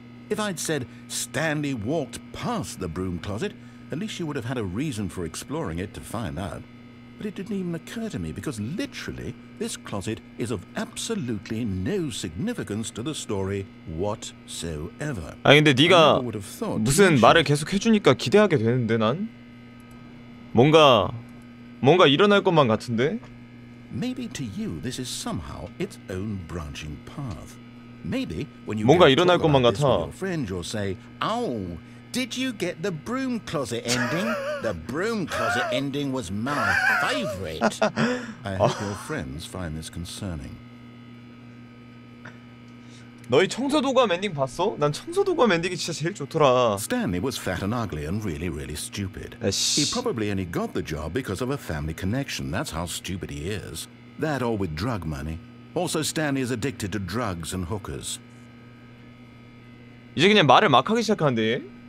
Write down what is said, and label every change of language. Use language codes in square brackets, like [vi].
[en] If I'd said Stanley walked past the broom closet, at least you would have had a reason for exploring it to find out. But it didn't even occur to me because literally this closet is of absolutely no significance to the story whatsoever. [ko] 아 근데 네가 무슨 말을 계속 해주니까 기대하게 되는데 난 뭔가 일어날 것만 같은데. [en] Maybe to you this is somehow its own branching path. Maybe when you [ko] 뭔가 일어날 것만 같아. [en] Friend, you'll say, "Oh." Did you get the broom closet ending? The broom closet ending was my favorite. I hope your friends find this concerning. [ko] 너희 청소도구함 엔딩 봤어? 난 청소도구함 엔딩이 진짜 제일 좋더라. [en] Stanley was fat and ugly and really, really stupid. He probably only got the job because of a family connection. That's how stupid he is. That or with drug money. Also, Stanley is addicted to drugs and hookers. [ko] 이제 그냥 말을 막 하기 시작하는데.